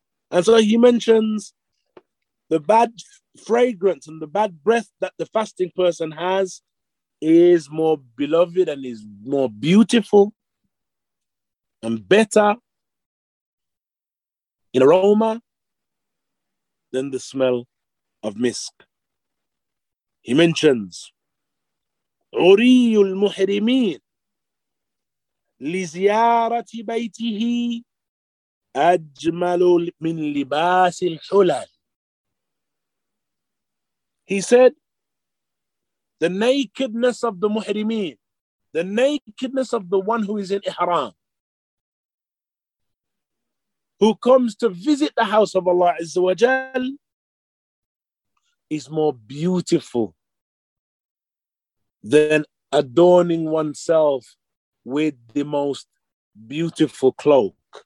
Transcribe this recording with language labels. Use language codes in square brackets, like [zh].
[en] And so he mentions the bad fragrance and the bad breath that the fasting person has is more beloved and is more beautiful and better in aroma than the smell of misk. He mentions, [ar] عُرِيُّ الْمُحْرِمِينَ لِزِيَارَةِ بَيْتِهِ أَجْمَلُ مِنْ لِبَاسِ الْحُلَلِ. [en] He said, the nakedness of the muhrimin, the nakedness of the one who is in ihram, who comes to visit the house of Allah Azza wa Jal, is more beautiful than adorning oneself with the most beautiful cloak.